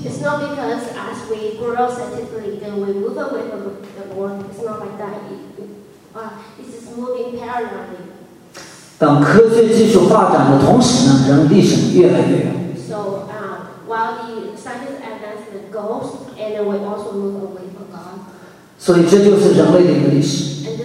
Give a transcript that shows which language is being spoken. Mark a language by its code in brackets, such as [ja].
[en] It's not because as we grow scientifically, then we move away from the world. It's not like that. It's moving parallelly. [zh] 当科学技术发展的同时呢，人离神越来越远。 [en] So, while the scientific advancement goes, and we also move away from God. [zh] 所以这就是人类的一个历史。